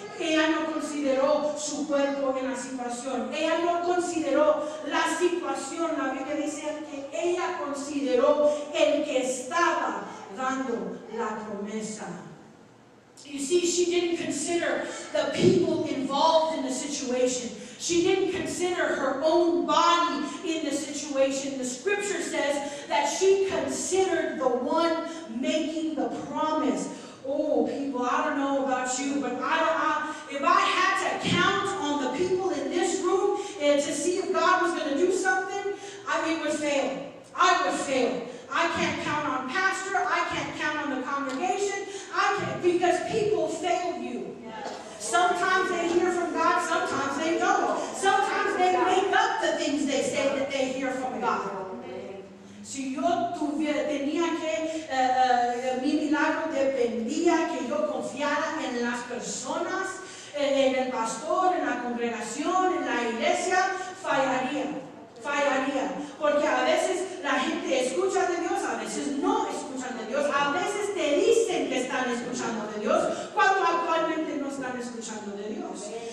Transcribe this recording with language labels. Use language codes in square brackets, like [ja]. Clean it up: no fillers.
[es] Ella no consideró su cuerpo en la situación. Ella no consideró la situación. La Biblia dice que ella consideró el que estaba dando la promesa. [en] You see, she didn't consider the people involved in the situation. She didn't consider her own body in the situation. The scripture says that she considered the one making the promise. Oh, people, I don't know about you, but if I had to count on the people in this room and to see if God was going to do something, I would fail. I can't count on pastor. I can't count on the congregation. Because people fail you. Sometimes they hear from God. Sometimes they don't. Sometimes they make up the things they say that they hear from God. [es] Si yo tenía que, mi milagro dependía que yo confiara en las personas, en el pastor, en la congregación, en la iglesia, fallaría. Porque a veces la gente escucha de Dios, a veces no escuchan de Dios, a veces te dicen que están escuchando de Dios, cuando actualmente no están escuchando de Dios.